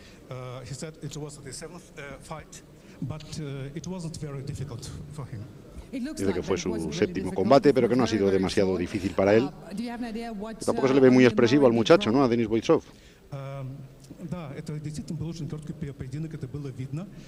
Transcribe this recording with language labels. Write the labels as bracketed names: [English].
[English] He said it was the seventh fight, but it wasn't very difficult for him. [Spanish] Dice que fue su séptimo combate, pero que no ha sido demasiado difícil para él. Tampoco se le ve muy expresivo al muchacho, ¿no? A Denis Boitsov. [Russian] Да, это действительно был очень короткий поединок, это было видно.